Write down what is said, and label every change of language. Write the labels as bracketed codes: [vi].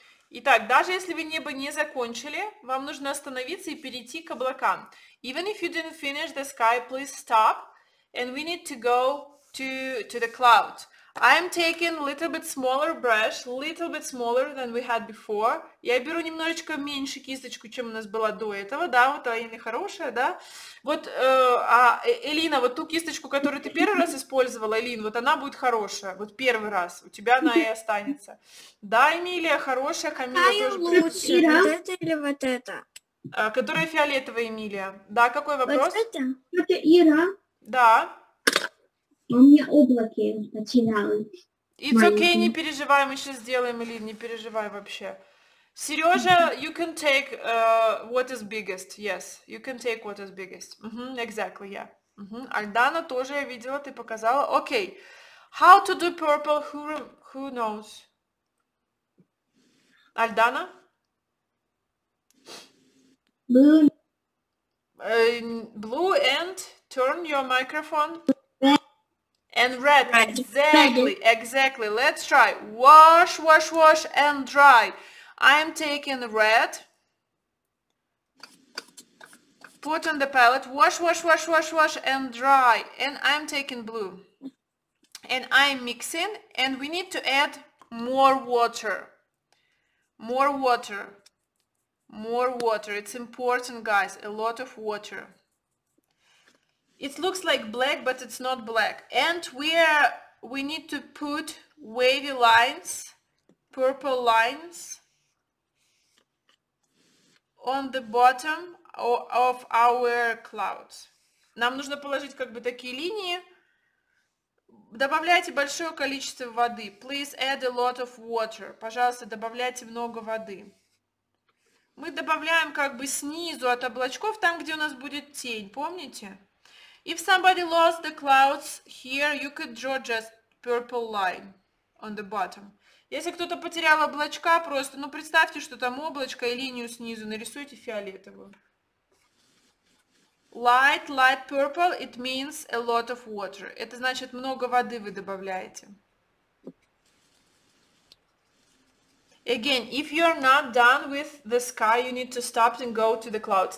[ru] Итак, даже если вы небо не закончили, вам нужно остановиться и перейти к облакам. [en] Even if you didn't finish the sky, please stop. And we need to go to the cloud. I am taking little bit smaller brush, little bit smaller than we had before. [ru] Я беру немножечко меньше кисточку, чем у нас была до этого, да, вот Аина хорошая, да. Вот, Элина, вот ту кисточку, которую ты первый раз использовала, Элин, вот она будет хорошая, вот первый раз, у тебя она и останется. Да, Эмилия, хорошая, Камила а тоже. А лучше, вот это или вот это? Которая фиолетовая, Эмилия. Да, какой вопрос? это Ира. Да. У меня облаки начиналось. [en] It's [ru] маленькие. Okay, не переживай, мы сейчас сделаем, Элин, не переживай вообще. [en] Сережа, you can take what is biggest, yes, you can take what is biggest. Mm-hmm, exactly, yeah. Mm-hmm. [ru] Альдана тоже я видела, ты показала. [en] Okay, how to do purple, who knows? [ru] Альдана? [en] Blue. Blue and turn your microphone. And red, exactly, exactly. Let's try. Wash, wash, wash and dry. I am taking red. Put on the palette. Wash, wash, wash, wash, wash and dry. And I'm taking blue. And I'm mixing. And we need to add more water. More water. More water. It's important, guys. A lot of water. It looks like black, but it's not black. And we need to put wavy lines, purple lines, on the bottom of our clouds. [ru] Нам нужно положить как бы такие линии. Добавляйте большое количество воды. [en] Please add a lot of water. [ru] Пожалуйста, добавляйте много воды. Мы добавляем как бы снизу от облачков, там, где у нас будет тень, помните? [en] If somebody lost the clouds here, you could draw just purple line on the bottom. [ru] Если кто-то потерял облачка, просто, ну, представьте, что там облачко и линию снизу, нарисуйте фиолетовую. [en] Light, light purple, it means a lot of water. [ru] Это значит, много воды вы добавляете. [en] Again, if you're not done with the sky, you need to stop and go to the clouds.